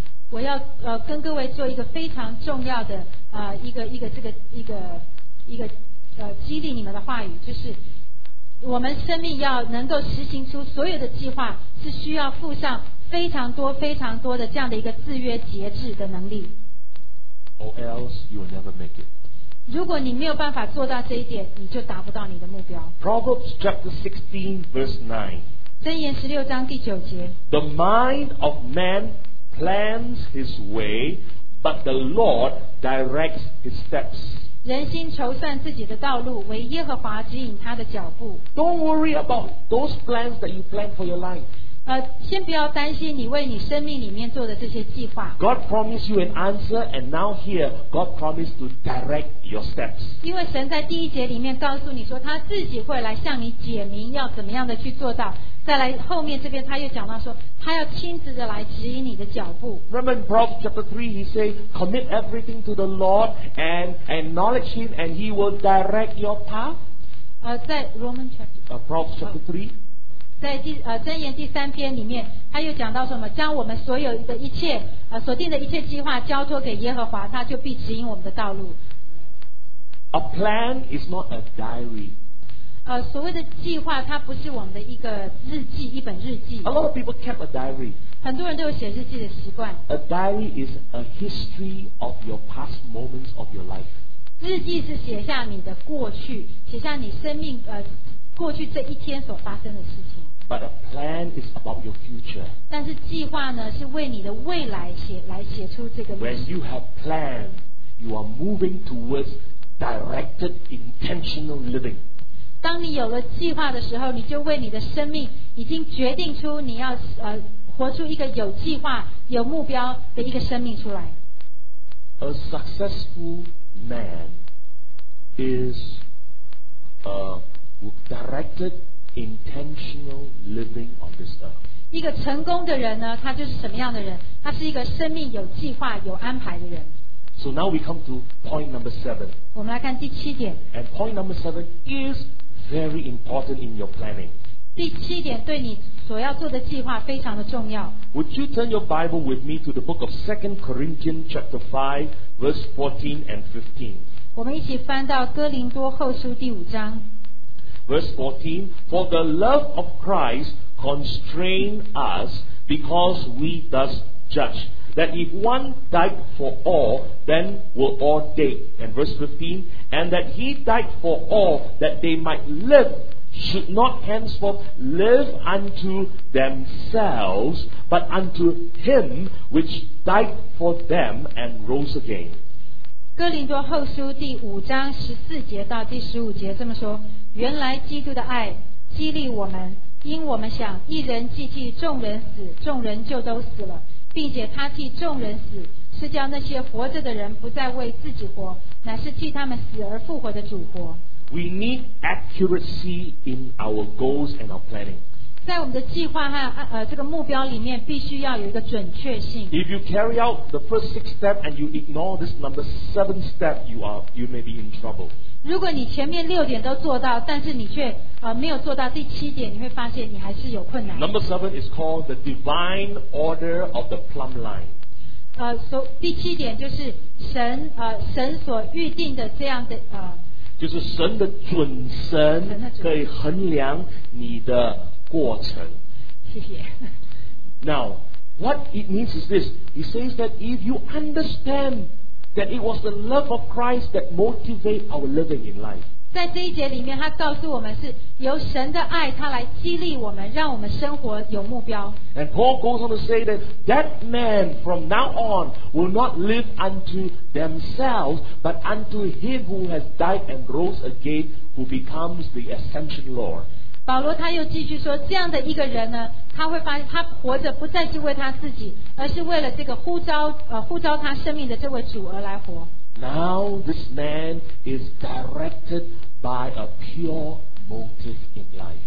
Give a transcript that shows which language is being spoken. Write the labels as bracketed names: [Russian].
[Chinese] 我要跟各位做一个非常重要的激励你们的话语，就是我们生命要能够实行出所有的计划是需要付上非常多非常多的这样的一个自约节制的能力。 [English] Or else you will never make it. [Chinese] 如果你没有办法做到这一点，你就达不到你的目标。 [English] Proverbs chapter 16 verse 9. [Chinese] 箴言16章第9节。 [English] The mind of man plans his way, but the Lord directs his steps. [Chinese] 人心筹算自己的道路，唯耶和华指引他的脚步。 [English] Don't worry about those plans that you plan for your life. [Chinese] 先不要担心你为你生命里面做的这些计划。 [English] God promised you an answer, and now here, God promised to direct your steps. [Chinese] 因为神在第一节里面告诉你说，他自己会来向你解明要怎么样的去做到。再来后面这边他又讲到说，他要亲自的来指引你的脚步。 [English] Romans Proverbs chapter 3, he says, commit everything to the Lord and acknowledge Him, and He will direct your path. 在 Romans chapter. Proverbs chapter 3. [Chinese] 在箴言第三篇里面他又讲到什么，将我们所有的一切所定的一切计划交托给耶和华，他就必指引我们的道路。 [English] A plan is not a diary. [Chinese] 所谓的计划它不是我们的一个日记，一本日记。 [English] A lot of people kept a diary. [Chinese] 很多人都有写日记的习惯。 [English] A diary is a history of your past moments of your life. [Chinese] 日记是写下你的过去，写下你生命过去这一天所发生的事情。 [English] But a plan is about your future. [Chinese] 但是计划呢，是为你的未来写出这个。 [English] When you have planned, you are moving towards directed, intentional living. [Chinese] 当你有了计划的时候，你就为你的生命已经决定出你要活出一个有计划、有目标的一个生命出来。 [English] A successful man is a directed. Intentional living on this earth. [Chinese] 一个成功的人呢，他就是什么样的人？他是一个生命有计划、有安排的人。 [English] So now we come to point number seven. [Chinese] 我们来看第七点。 [English] And point number seven is very important in your planning. [Chinese] 第七点对你所要做的计划非常的重要。 [English] Would you turn your Bible with me to the book of 2 Corinthians chapter 5, verse 14 and 15? [Chinese] 我们一起翻到哥林多后书第五章。 [English] Verse 14, for the love of Christ constrained us because we thus judge, that if one died for all, then will all die. And verse 15, and that he died for all that they might live, should not henceforth live unto themselves, but unto him which died for them and rose again. [Chinese] 哥林多后书第五章十四节到第十五节这么说，原来基督的爱激励我们，因我们想一人既替众人死，众人就都死了，并且他替众人死，是叫那些活着的人不再为自己活，乃是替他们死而复活的主活。 [English] We need accuracy in our goals and our planning. [Chinese] 在我们的计划和这个目标里面必须要有一个准确性。 [English] If you carry out the first six steps and you ignore this number seven step, you may be in trouble. [Chinese] 如果你前面六点都做到，但是你却没有做到第七点，你会发现你还是有困难。 [English] Number seven is called the divine order of the plumb line. [Chinese] 第七点就是神所预定的这样的就是神的准绳可以衡量你的过程。谢谢。 [English] Now, what it means is this. It says that if you understandThat it was the love of Christ that motivated our living in life. [Chinese] 在这一节里面，他告诉我们是由神的爱，他来激励我们，让我们生活有目标。 [English] And Paul goes on to say that that man from now on will not live unto themselves, but unto him who has died and rose again, who becomes the ascension Lord. [Chinese] 保罗他又继续说，这样的一个人呢，他会发现他活着不再是为他自己，而是为了这个呼召他生命的这位主而来活。 [English] Now this man is directed by a pure motive in life.